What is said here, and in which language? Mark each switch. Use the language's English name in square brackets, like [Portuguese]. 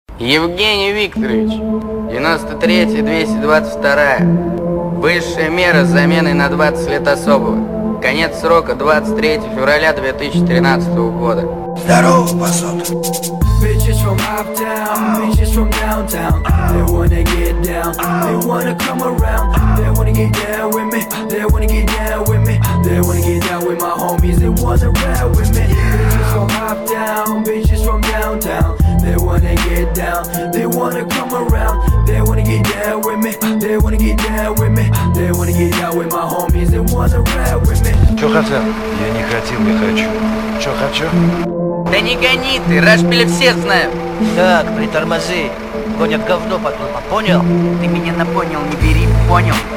[Russian] Евгений Викторович, 93-222, высшая мера с заменой на 20 лет особого. Конец срока 23 февраля 2013 года. Здорово, посол. [English] Bitches from uptown, bitches from downtown. They wanna get down, they wanna come around. They wanna get down with me, they wanna get down with me. They wanna get down with my homies, they wanna ride with me. Bitches from uptown, bitches from downtown. They wanna get down, they wanna come around. They wanna get down with me, they wanna get down with me. They wanna get down with my homies, they wanna ride with me. [Russian] Чё хотел? Я не хотел, не хочу. Чё хочу? Да не гони ты, рашпили все знают. Так, притормози. Гонят говно под лопа, понял? Ты меня напонял, не бери, понял?